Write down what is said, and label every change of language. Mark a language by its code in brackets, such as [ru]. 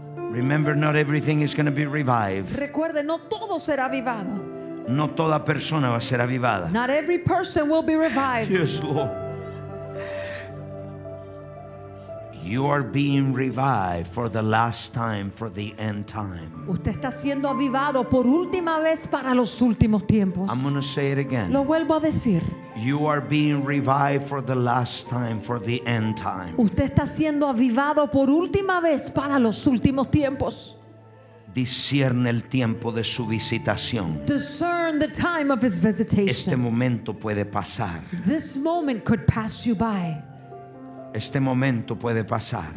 [en] Remember, not everything is going to be revived. [es] Recuerde, no todo será avivado. No toda persona va a ser avivada. [en] Not every person will be revived. Yes, Lord. You are being revived for the last time, for the end time. [es] Usted está siendo avivado por última vez para los últimos tiempos. [en] I'm going to say it again. [es] Lo vuelvo a decir. [en] You are being revived for the last time, for the end time. [es] Usted está siendo avivado por última vez para los últimos tiempos. Discierne el tiempo de su visitación. [en] Discern the time of his visitation. [es] Este momento puede pasar. [en] This moment could pass you by. [es] Este momento puede pasar.